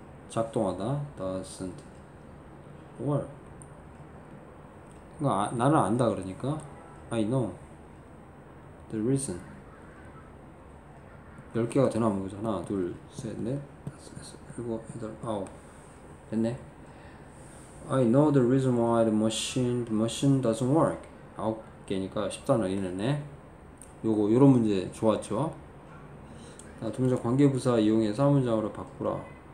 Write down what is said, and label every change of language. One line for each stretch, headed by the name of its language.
English: 작동하다 doesn't work.
Korean: 그러니까 나는 안다 그러니까
English: I know the reason.
Korean: 10개가 되나 보죠. 하나, 둘, 셋, 넷, 다섯, 여섯, 일곱, 여덟, 아홉. 됐네.
English: I know the reason why the machine doesn't work.
Korean: 9개니까 10단어 이내네. 요거 요런 문제 좋았죠? 자, 동사 관계부사 이용해서 한문장으로 바꾸라.